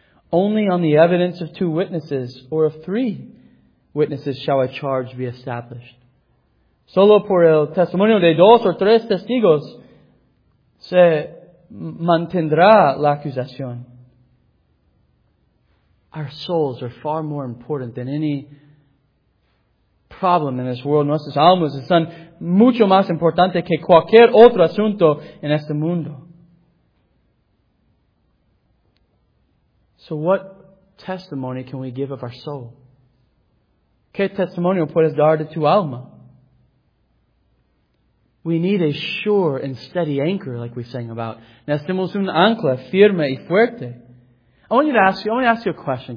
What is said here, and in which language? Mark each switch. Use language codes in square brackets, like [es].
[en] Only on the evidence of 2 witnesses or of 3 witnesses shall a charge be established. [es] Solo por el testimonio de 2 o 3 testigos se mantendrá la acusación. [en] Our souls are far more important than any problem in this world. [es] Nuestras almas son mucho más importantes que cualquier otro asunto en este mundo. [en] So what testimony can we give of our soul? [es] ¿Qué testimonio puedes dar de tu alma? [en] We need a sure and steady anchor, like we sang about. [es] Necesitamos un ancla firme y fuerte. [en] I want to ask you a question.